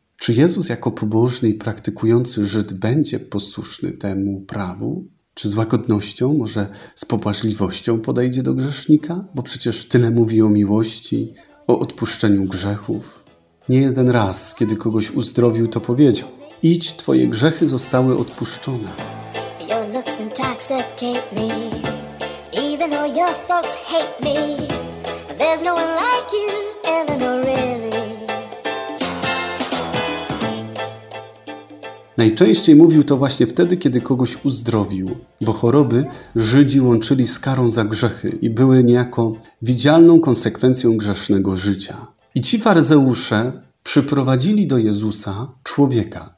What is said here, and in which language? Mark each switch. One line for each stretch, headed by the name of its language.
Polish: Czy Jezus jako pobożny i praktykujący Żyd będzie posłuszny temu prawu? Czy z łagodnością, może z pobłażliwością podejdzie do grzesznika? Bo przecież tyle mówi o miłości, o odpuszczeniu grzechów. Nie jeden raz, kiedy kogoś uzdrowił, to powiedział: idź, twoje grzechy zostały odpuszczone.
English: Your looks intoxicate me, even though your folks hate me. There's no one like you, Eleanor, really.
Polish: Najczęściej mówił to właśnie wtedy, kiedy kogoś uzdrowił, bo choroby Żydzi łączyli z karą za grzechy i były niejako widzialną konsekwencją grzesznego życia. I ci faryzeusze przyprowadzili do Jezusa człowieka.